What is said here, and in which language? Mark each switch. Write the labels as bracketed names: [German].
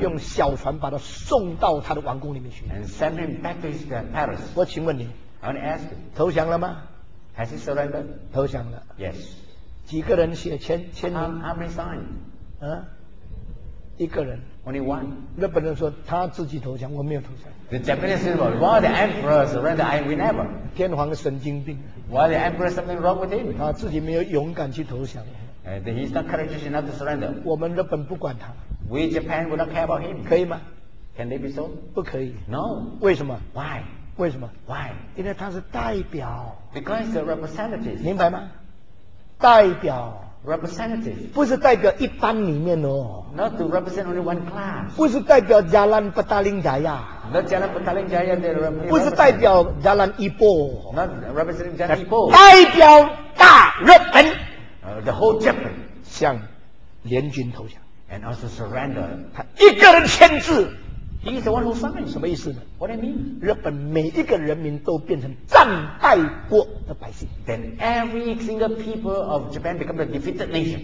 [Chinese] 用小船把他送到他的王宫里面去。 [English] And send him back to his palace. [Chinese] 我请问你。 [English] I want to ask you. [Chinese] 投降了吗 [English] ？Has he surrendered? [Chinese] 投降了。 [English] Yes. [Chinese] 几个人写签名 [English] How many signed?、 [Chinese] 啊、一个人 [English] Only one [Chinese] 日本人说他自己投降我没有投降 [English] The Japanese said well, why the emperor surrender I will never [Chinese] 天皇神经病 [English] Why the emperor something wrong with him [Chinese] 他自己没有勇敢去投降 [English] He's not courageous enough to surrender [Chinese] 我们日本不管他 [English] We Japan will not care about him [Chinese] 可以吗 [English] Can they be so [Chinese] 不可以 [English] No [Chinese] 为什么 [English] Why [Chinese] 为什么 [English] Why [Chinese] 因为他是代表 [English] Because the representatives [Chinese] 明白吗代表 [English] representative [Chinese] 不是代表一般里面哦 [English] not to represent only one class [Chinese] 不是代表 Jalan Petaling Jaya [English] not Jalan Petaling Jaya [Chinese] 不是代表 Jalan Ipoh [English] not representing Jalan Ipoh [Chinese] 代表大日本 [English] the whole Japan [Chinese] 向联军投降 [English] and also surrender [Chinese] 他一个人签字 [English] he's the one who signed [Chinese] 什么意思呢 [English] what do you mean [Chinese] 日本每一个人民都变成战败国的百姓 [English] then every single people of Japan become a defeated nation